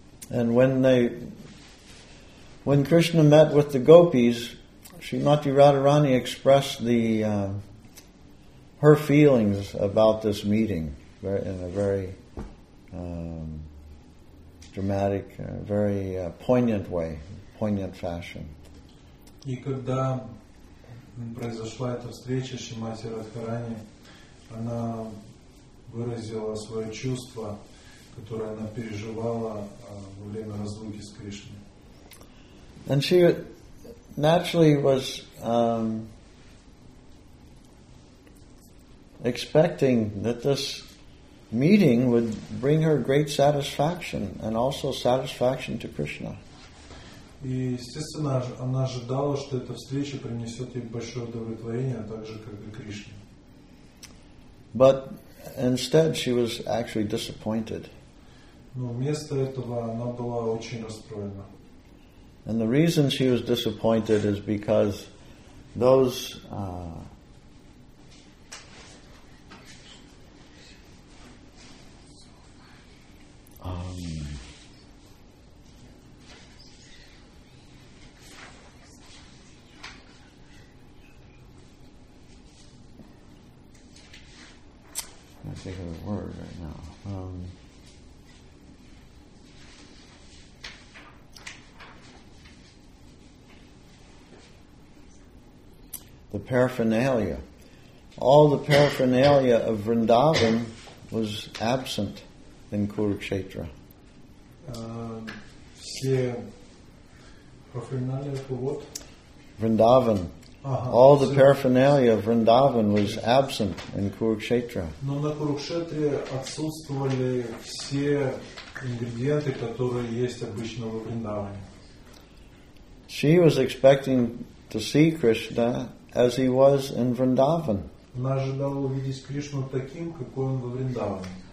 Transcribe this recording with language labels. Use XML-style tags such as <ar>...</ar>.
<en>And when Krishna met with the gopis, Srimati Radharani expressed her feelings about this meeting in a very dramatic, very poignant way, poignant fashion.</en> <ru>И когда произошла эта встреча, Шримати Радхарани, она выразила свое чувство, которое она переживала во время разлуки с Кришной.</ru> <en>And she naturally was expecting that this meeting would bring her great satisfaction and also satisfaction to Krishna.</en> <ru>И естественно, она ожидала, что эта встреча принесет ей большое удовлетворение, так же как и Кришне.</ru> <en>But instead, she was actually disappointed.</en> <ru>Но вместо этого она была очень расстроена.</ru> <en>And the reason she was disappointed is because those I think of the word right now. The paraphernalia. All the paraphernalia of Vrindavan was absent in Kurukshetra.</en> <ru>Все</ru> <en>paraphernalia for what? Vrindavan. Uh-huh. All the paraphernalia of Vrindavan was absent in Kurukshetra.</en> <ru>Но на Курукшетре отсутствовали все ингредиенты, которые есть обычно в Вриндаване.</ru> <en>She was expecting to see Krishna as he was in Vrindavan.</en> <ru>Она ожидала увидеть Кришну таким, какой он во Вриндаване.</ru>